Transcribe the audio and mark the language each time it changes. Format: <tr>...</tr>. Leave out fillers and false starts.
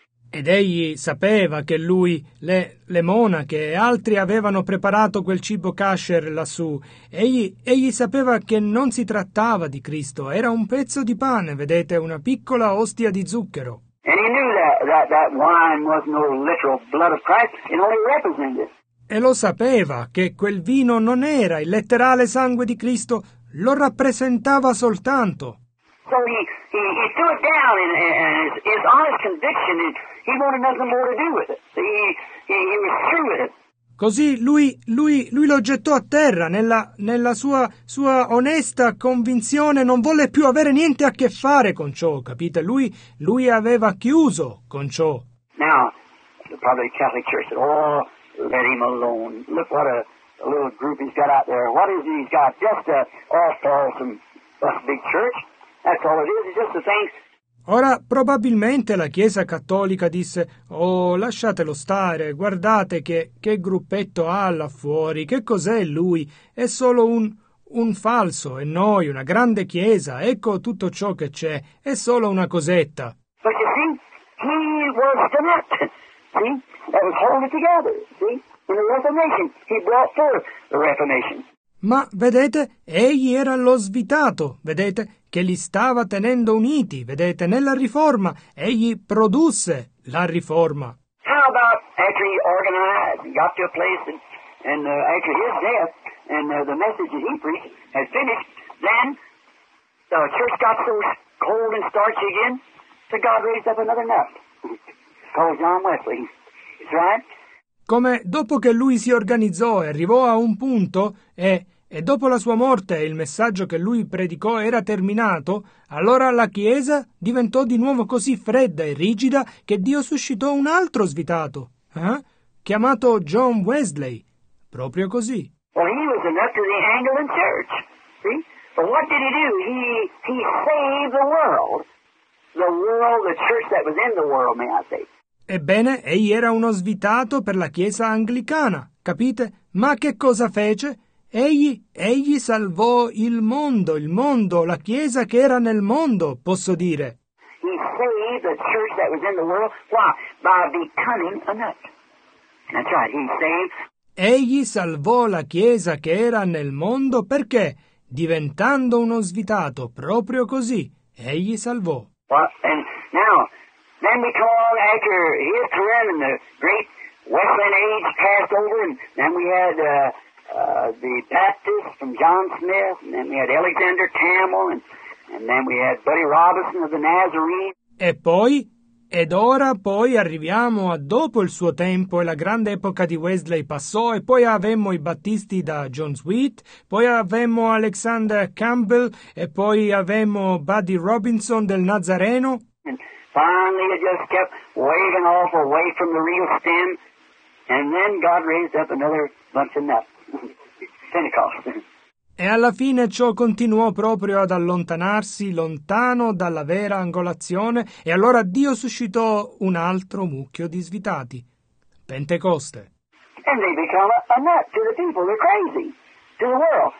<it>Ed egli sapeva che lui, le monache e altri avevano preparato quel cibo kasher lassù. Egli sapeva che non si trattava di Cristo, era un pezzo di pane, vedete, una piccola ostia di zucchero.</it> <en>And he knew that wine was no literal blood of Christ, it only represented.</en> <it>e lo sapeva che quel vino non era il letterale sangue di Cristo, lo rappresentava soltanto.</it> <en>So he threw it down in his honest conviction and he wanted nothing more to do with it. He was through with it.</en> <it>Così lui lo gettò a terra nella sua onesta convinzione, non volle più avere niente a che fare con ciò, capite? Lui aveva chiuso con ciò.</it> <en>Now, the probably Catholic Church said, oh, let him alone. Look what a little group he's got out there. What is he he's got? Just a false big church. That's all it is. It's just a thing.</en> <it>Ora, probabilmente la Chiesa Cattolica disse, oh, lasciatelo stare, guardate che gruppetto ha là fuori, che cos'è lui? È solo un falso, e noi, una grande Chiesa, ecco tutto ciò che c'è, è solo una cosetta.</it> <en>But you see, he was the nut, see, that was holding it together, see, in the Reformation, he brought forth the Reformation.</en> <it>Ma, vedete, egli era lo svitato, vedete, che li stava tenendo uniti, vedete, nella Riforma, egli produsse la Riforma.</it> <en>How about after he organized and got to a place and after his death and the message that he preached had finished, then the church got so cold and starchy again that God raised up another nut. It's called John Wesley. Is that right?</en> <it>Come dopo che lui si organizzò e arrivò a un punto e dopo la sua morte il messaggio che lui predicò era terminato, allora la Chiesa diventò di nuovo così fredda e rigida che Dio suscitò un altro svitato, chiamato John Wesley, proprio così.</it> <en>Well, he was enough to the Anglican Church, see? But what did he do? He saved the world, the church that was in the world, may I say.</en> <it>Ebbene, egli era uno svitato per la Chiesa anglicana, capite? Ma che cosa fece? Egli salvò il mondo, la Chiesa che era nel mondo, posso dire.</it> <en>He saved the church that was in the world. Why? By becoming a nut. That's right, he saved.</en> <it>Egli salvò la Chiesa che era nel mondo perché? Diventando uno svitato, proprio così, egli salvò.</it> <en>Well, and now. Then we call after his career and the great Wesleyan age passed over, and then we had the Baptist from John Smith, and then we had Alexander Campbell, and then we had Buddy Robinson of the Nazarene.</en> <it>E poi? Ed ora poi arriviamo a dopo il suo tempo e la grande epoca di Wesley passò e poi avemmo i battisti da John Sweet, poi avemmo Alexander Campbell e poi avemmo Buddy Robinson del Nazareno.</it> <en>Finally, it just kept waving off away from the real stem, and then God raised up another bunch of nuts. Pentecost.</en> <it>E alla fine ciò continuò proprio ad allontanarsi, lontano dalla vera angolazione, e allora Dio suscitò un altro mucchio di svitati. Pentecoste.</it> <en>And they become a nut to the people. They're crazy to the world.</en>